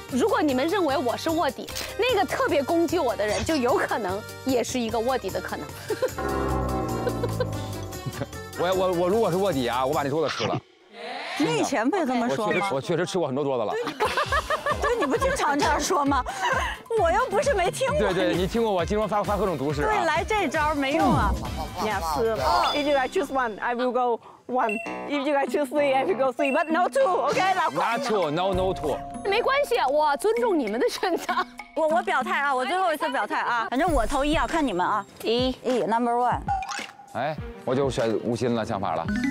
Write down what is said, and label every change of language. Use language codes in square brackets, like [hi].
[zh] 如果你们认为我是卧底，那个特别攻击我的人就有可能也是一个卧底的可能。我如果是卧底啊，我把那桌子吃了。你以前不也这么说吗？我确实吃过很多桌子了。对，你不经常这样说吗？我又不是没听过。对对，你听过我经常发各种毒誓、啊。对，来这招没用啊。Yes. [en] If you guys choose one, I will go one. If you guys choose three, I will go three. But no two. OK, 老公。 Not two. No, no two. [zh] 没关系，我尊重你们的选择。我表态啊，我最后一次表态啊，反正我投一啊，看你们啊。一 [en] ，Number one。 [zh] 哎，我就选吴昕了，想法了。